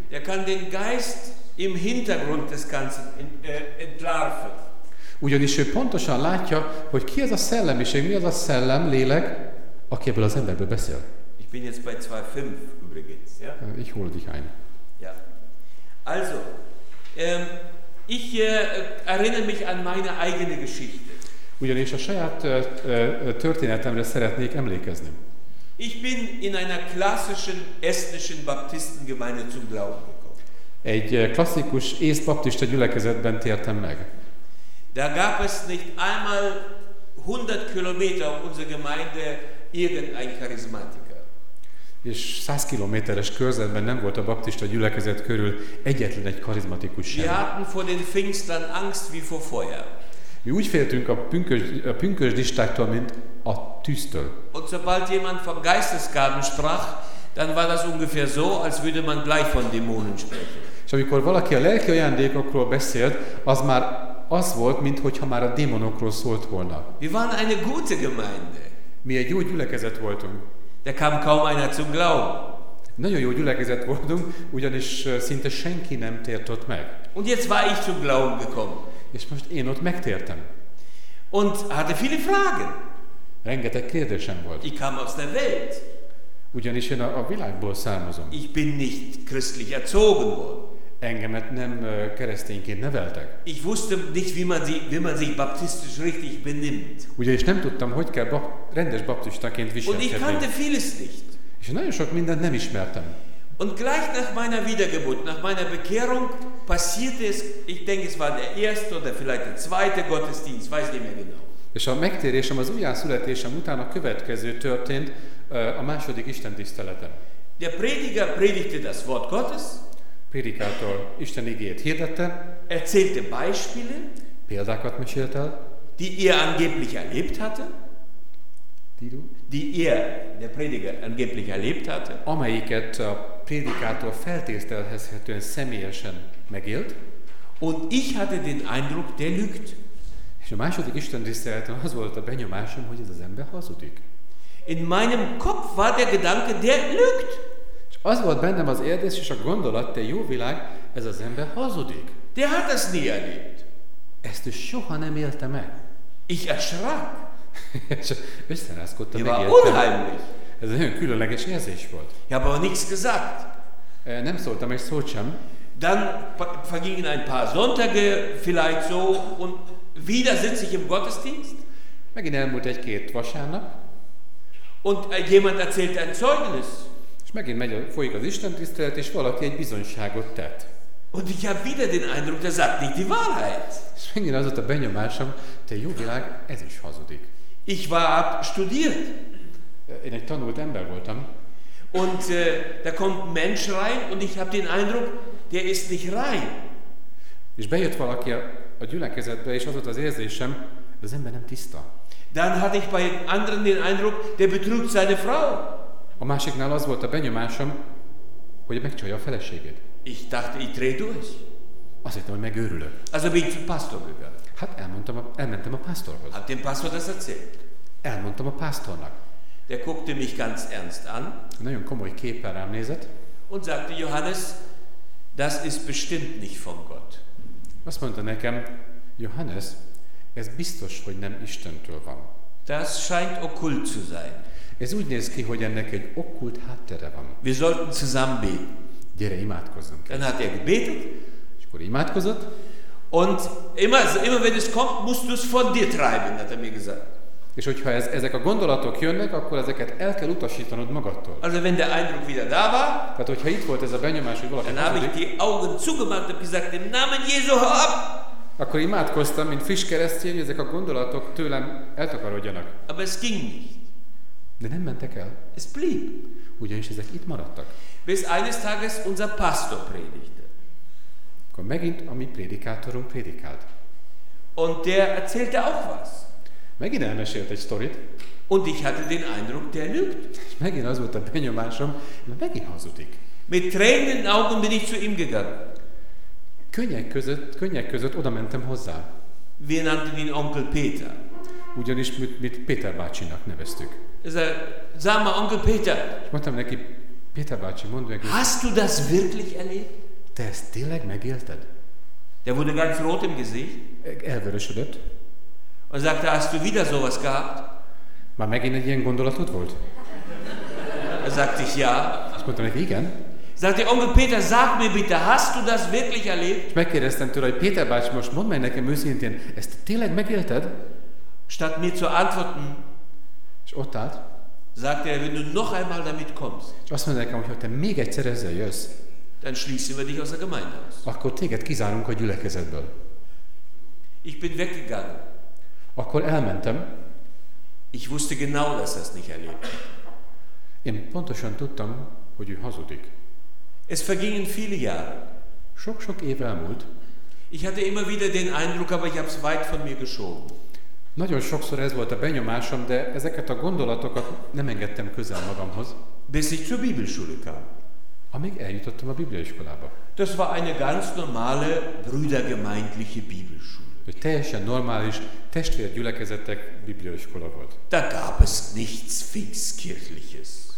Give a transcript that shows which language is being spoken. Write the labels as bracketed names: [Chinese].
[German] Der kann den Geist im Hintergrund des Ganzen entlarven. [Hungarian] Ugyanis ő pontosan látja, hogy ki ez a szellemiség, mi az a szellem, lélek, aki ebből az emberből beszél. [German] Ich bin jetzt bei 2,5 übrigens. Ja? Ich hole dich ein. Ja. Also, erinnere mich an meine eigene Geschichte. [Hungarian] Ugyanis a saját történetemre szeretnék emlékezni. [German] Ich bin in einer klassischen estnischen Baptistengemeinde zum Glauben gekommen. [Hungarian] Egy klasszikus észbaptista gyülekezetben tértem meg. [German] Da gab es nicht einmal 100 Kilometer unserer Gemeinde irgendein Charismatiker. [Hungarian] És 100 kilométeres körzetben nem volt a baptista gyülekezet körül egyetlen egy karizmatikus sem. [German] Wir hatten vor den Pfingstern Angst wie vor Feuer. [Hungarian] Mi úgy féltünk a pünkösdistáktól, mint a tűztől. [German] Und sobald jemand von Geistesgaben sprach, dann war das ungefähr so, als würde man gleich von Dämonen sprechen. [Hungarian] És amikor valaki a lelki ajándékokról beszélt, az már az volt, mintha már a démonokról szólt volna. [German] Wir waren eine gute Gemeinde. [Hungarian] Mi egy jó gyülekezet voltunk. [German] Da kam kaum einer zum Glauben. [Hungarian] Nagyon jó gyülekezet voltunk, ugyanis szinte senki nem tért ott meg. [German] Und jetzt war ich zum Glauben gekommen. [Hungarian] És most én ott megtértem. [German] Und hatte viele Fragen. [Hungarian] Rengeteg kérdésem volt. [German] Ich kam aus der Welt. [Hungarian] Ugyanis én a világból származom. [German] Ich bin nicht christlich erzogen worden. [Hungarian] Engemet nem keresztényként neveltek. [German] Ich wusste nicht, wie man sich baptistisch richtig benimmt. [Hungarian] Ugyanis nem tudtam, hogy kell rendes baptistaként viselkedni. [German] Und ich kannte vieles nicht. [Hungarian] És nagyon sok mindent nem ismertem. [German] Und gleich nach meiner Wiedergeburt, nach meiner Bekehrung, passierte es, ich denke, es war der erste oder vielleicht der zweite Gottesdienst, weiß nicht mehr genau. [Hungarian] És a megtérésem, az újjászületésem után a következő történt, a második istentiszteleten. [German] Der Prediger predigte das Wort Gottes. [Hungarian] Predikátor Isten igéjét hirdette. [German] Erzählte Beispiele. [Hungarian] Példákat mesélt el. [German] Die angeblich erlebt hatte. Der Prediger angeblich erlebt hatte. [Hungarian] Amelyiket a prédikátor feltételhezhetően személyesen megélt. [German] Und ich hatte den Eindruck, der lügt. [Hungarian] És a második istentiszteleten az volt a benyomásom, hogy ez az ember hazudik. [German] In meinem Kopf war der Gedanke, der lügt. [Hungarian] És az volt bennem az érdés és a gondolat, te jó világ, ez az ember hazudik. [German] Der hat das nie erlebt. [Hungarian] Ezt ő soha nem élte meg. [German] Ich erschrak. [Hungarian] Összerázkodtam, megijedtem. Ez egy különleges érzés volt. [German] Ja, aber nichts gesagt. [Hungarian] Nem szóltam egy szót sem. [German] Dann vergingen ein paar Sonntage, vielleicht so, und wieder sitze ich im Gottesdienst. Meine Mutter geht wahrscheinlich. Und jemand erzählt ein Zeugnis. [Hungarian] És megint megy a folyik az istentisztelet, és valaki egy bizonyságot tett. [German] Und ich habe wieder den Eindruck, der sagt nicht die Wahrheit. [Hungarian] És megint az ott a benyomásom, te jó világ, ez is hazudik. [German] Ich war abstudiert. [Hungarian] Én egy tanult ember voltam. [German] Und da kommt ein Mensch rein, und ich habe den Eindruck, der ist nicht rein. [Hungarian] És bejött valaki a gyülekezetbe, és az ott az érzésem, az ember nem tiszta. [German] Dann hatte ich bei anderen den Eindruck, der betrügt seine Frau. [Hungarian] A másiknál az volt a benyomásom, hogy megcsalja a feleségét. [German] Ich dachte, ich dreh durch. [Hungarian] Azt hittem, hogy megőrülök. [German] Also bin ich zum Pastor gegangen. [Hungarian] Hát elmentem a pásztorhoz. [German] Hab dem Pastor das erzählt. [Hungarian] Elmondtam a pásztornak. [German] Der guckte mich ganz ernst an. [Hungarian] Nagyon komoly képpel rám nézett. [German] Und sagte, Johannes, das ist bestimmt nicht von Gott. [Hungarian] Azt mondta nekem, Johannes, ez biztos, hogy nem Istentől van. [German] Das scheint okkult zu sein. [Hungarian] Ez úgy néz ki, hogy ennek egy okkult háttere van. [German] Wir sollten zusammen beten. [Hungarian] Gyere, imádkozzunk. [German] Dann hat er gebetet. [Hungarian] És akkor imádkozott. [German] Und immer wenn es kommt, musst du es von dir treiben, hat er mir gesagt. [Hungarian] És hogyha ezek a gondolatok jönnek, akkor ezeket el kell utasítanod magadtól. [German] Also wenn der Eindruck wieder da war, [Hungarian] tehát hogyha itt volt ez a benyomás, hogy valaki [German] dann habe ich die Augen zugemacht und gesagt, im Namen Jesu, hör ab! [Hungarian] Akkor imádkoztam, mint friss keresztény, ezek a gondolatok tőlem eltakarodjanak. [German] Aber es ging nicht. [Hungarian] De nem mentek el. [German] Es blieb. [Hungarian] Ugyanis ezek itt maradtak. [German] Bis eines Tages unser Pastor predigte. [Hungarian] Akkor megint a mi prédikátorunk prédikált. [German] Und der erzählte auch was. [Hungarian] Megint elmesélt egy sztorit. [German] Und ich hatte den Eindruck, der lügt. [Hungarian] És megint az volt a benyomásom, mert megint hazudik. [German] Mit Tränen in den Augen bin ich zu ihm gegangen. [Hungarian] Könnyek között oda mentem hozzá. [German] Wir nannten ihn Onkel Peter. [Hungarian] Ugyanis mit Péter bácsinak neveztük. Ez a Zama Onkel Peter. És mondtam neki, Péter bácsi, mondd meg. [German] Hast du das wirklich erlebt? [Hungarian] Te ezt tényleg megélted? [German] Der wurde ganz rot im Gesicht. [Hungarian] Elvörösödött. [German] Und sagte, hast du wieder sowas gehabt? [Hungarian] Már megint egy ilyen gondolatod volt? [German] Sagte ich ja. [Hungarian] Azt mondtam neki, igen. [German] Sagte, Onkel Peter, sag mir bitte, hast du das wirklich erlebt? [Hungarian] És megkérdeztem tőle, hogy Péter bácsi, most mondd meg nekem őszintén, ezt tényleg megélted? [German] Statt mir zu antworten, [Hungarian] és ott állt, [German] sagte er, wenn du noch einmal damit kommst, [Hungarian] és azt mondta nekem, hogy ha te még egyszer ezzel jössz, [German] dann schließen wir dich aus der Gemeinde aus. [Hungarian] Akkor téged kizárunk a gyülekezetből. [German] Ich bin weggegangen. [Hungarian] Akkor elmentem. [German] Ich wusste genau, dass das nicht erlebt. [Hungarian] Én pontosan tudtam, hogy ő hazudik. [German] Es vergingen viele Jahre. [Hungarian] Sok-sok év elmúlt. [German] Ich hatte immer wieder den Eindruck, aber ich habe es weit von mir geschoben. [Hungarian] Nagyon sokszor ez volt a benyomásom, de ezeket a gondolatokat nem engedtem közel magamhoz. [German] Bis ich zur Bibelschule kam. [Hungarian] Amíg eljutottam a Bibliaiskolába. [German] Das war eine ganz normale brüdergemeindliche Bibelschule. [Hungarian] Egy teljesen normális testvérgyülekezetek Bibliaiskola volt. [German] Da gab es nichts fixkirchliches.